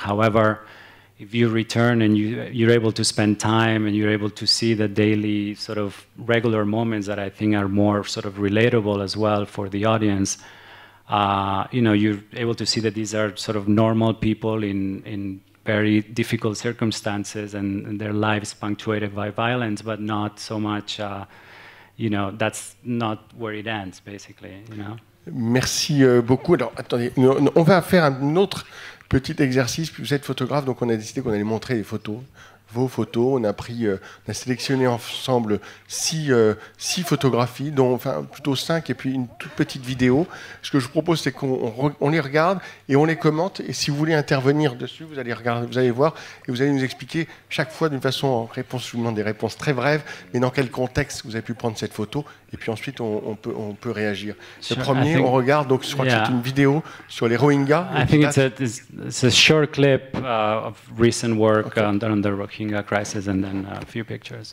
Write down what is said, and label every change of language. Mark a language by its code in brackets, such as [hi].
[en] However, if you return and you're able to spend time and you're able to see the daily sort of regular moments that I think are more sort of relatable as well for the audience, you know, you're able to see that these are sort of normal people in very difficult circumstances and their lives punctuated by violence, but not so much, you know, that's not where it ends, basically, you know. [fr] Merci beaucoup. Alors, attendez, on va faire un autre petit exercice. Vous êtes photographe, donc on a décidé qu'on allait montrer les photos, vos photos. On a pris, on a sélectionné ensemble six photographies, dont enfin plutôt cinq, et puis une toute petite vidéo. Ce que je propose, c'est qu'on les regarde et on les commente. Et si vous voulez intervenir dessus, vous allez regarder, vous allez voir, et vous allez nous expliquer chaque fois d'une façon en réponse, je vous demande des réponses très brèves, mais dans quel contexte vous avez pu prendre cette photo. Et puis ensuite, on peut réagir. Le premier, on regarde, donc je crois que c'est une vidéo sur les Rohingyas. [en] I think it's a short clip of recent work on the Rohingya crisis and then a few pictures.